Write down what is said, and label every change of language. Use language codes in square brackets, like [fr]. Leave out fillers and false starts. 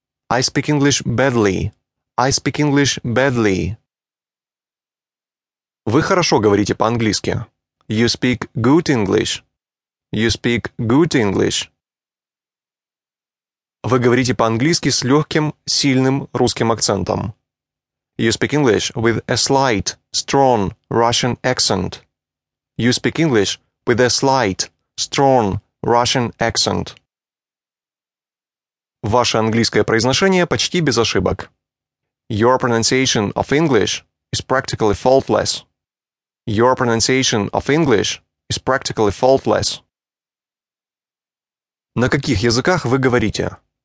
[en] I speak English badly. I speak English badly. [ru] Вы хорошо говорите по-английски. [en] You speak good English. You speak good English. [ru] Вы говорите по-английски с легким, сильным русским акцентом. [en] You speak English with a slight, strong Russian accent. You speak English with a slight, strong Russian accent. [ru] Ваше английское произношение почти без ошибок. [en] Your pronunciation of English is practically faultless. Your pronunciation of English is practically faultless. [ru] На каких языках вы говорите?